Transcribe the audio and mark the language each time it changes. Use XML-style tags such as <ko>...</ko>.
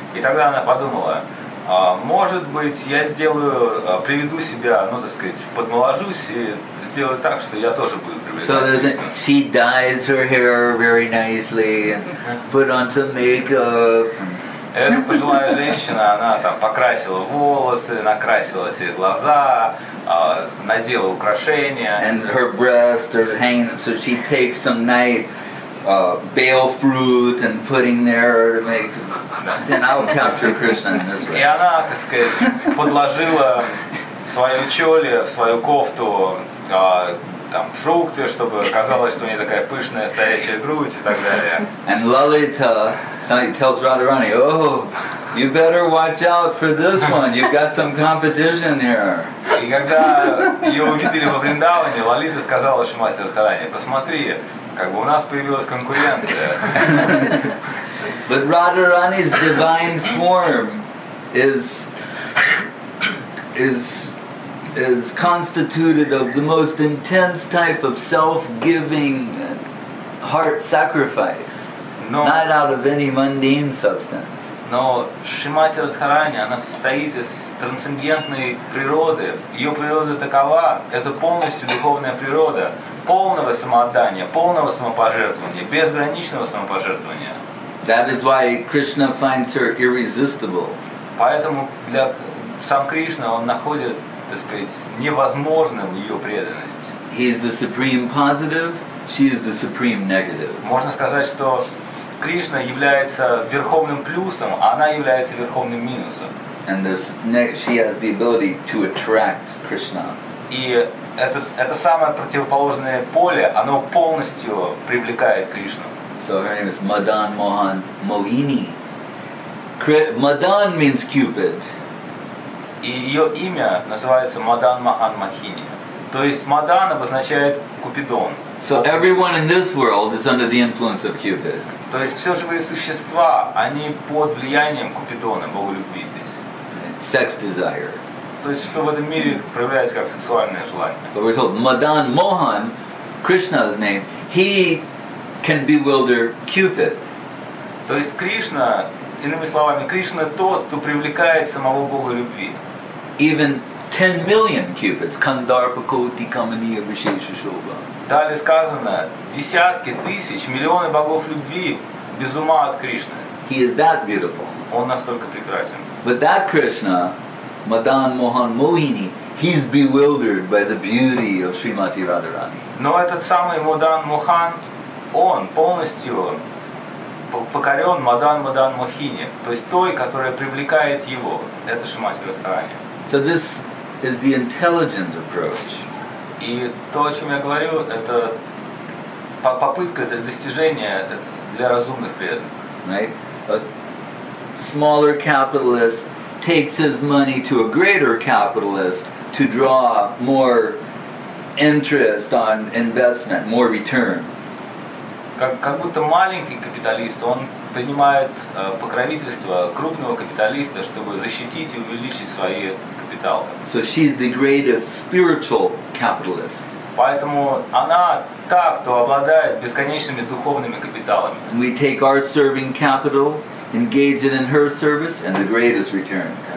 <ru>И тогда она подумала: может быть, я сделаю, приведу себя, ну, так сказать, подмоложусь и сделаю так, что я тоже буду привлекать.</ru> <en>So she dyes her hair very nicely and put on some makeup.</en> <ru>Эта пожилая женщина, она там покрасила волосы, накрасила себе глаза, надела украшения.</ru> <en>And her breasts are hanging, so she takes some nice bale fruit and putting there to make. Then I'll capture Krishna in this way.</en> <ru>И она, так сказать, подложила в свою чоли, в свою кофту там фрукты, чтобы казалось, что у нее такая пышная стоячая грудь и так далее.</ru> <en>And Lalita suddenly tells Radharani, oh, you better watch out for this one. You've got some competition here.</en> <ru>И когда ее увидели во Вриндаване, Лалита сказала Шримати Радхарани, посмотри, как бы у нас появилась конкуренция.</ru> <en>But Radharani's divine form is constituted of the most intense type of self-giving heart sacrifice, not out of any mundane substance.</en> <ru>Но Шримати Радхарани, она состоит из трансцендентной природы. Ее природа такова, это полностью духовная природа, полного самоотдания, полного самопожертвования, безграничного самопожертвования.</ru> <en>That is why Krishna finds her irresistible.</en> <ru>Поэтому для сам Кришна он находит, так сказать, невозможным ее преданность.</ru> <en>He is the supreme positive, she is the supreme negative.</en> <ru>Можно сказать, что Кришна является верховным плюсом, а она является верховным минусом.</ru> <en>And this she has the ability to attract Krishna.</en> <ru>И это самое противоположное поле, оно полностью привлекает Кришну.</ru> <en>So her name is Madan Mohan Mohini. Madan means Cupid.</en> <ru>И ее имя называется Madan Mohan Mohini. То есть Madan обозначает Купидон.</ru> <en>So everyone in this world is under the influence of Cupid.</en> <ru>То есть все живые существа, они под влиянием Купидона, Бога любви здесь.</ru> <en>Sex desire.</en> <ru>То есть что в этом мире проявляется как сексуальное желание.</ru> <en>But we're told Madan Mohan, Krishna's name, he can bewilder Cupid.</en> <ru>То есть Кришна, иными словами, Кришна тот, кто привлекает самого Бога любви.</ru> <en>Even 10 million cupids,</en> <sa>Kandarpa Koti Kamaniya Vishesha Shobha.</sa> <ru>Далее сказано, десятки, тысяч, миллионы богов любви без ума от Кришны.</ru> <en>He is that beautiful.</en> <ru>Он настолько прекрасен.</ru> <en>But that Krishna, Madan Mohan Mohini, he's bewildered by the beauty of Srimati Radharani.</en> <ru>Но этот самый Мадан Мохан, он полностью покорен Мадан Мадан Мохини, то есть той, которая привлекает его. Это Шримати Радхарани.</ru> <en>So this is the intelligent approach.</en> <ru>И то, о чем я говорю, это попытка, это достижение для разумных преданных.</ru> <en>Right? A smaller capitalist takes his money to a greater capitalist to draw more interest on investment, more return.</en> <ru>Как будто маленький капиталист, он принимает покровительство крупного капиталиста, чтобы защитить и увеличить свои капиталы.</ru> <en>So she's the greatest spiritual capitalist.</en> <ru>Поэтому она та, кто обладает бесконечными духовными капиталами.</ru> <en>And we take our serving capital, engage it in her service, and the greatest return.</en>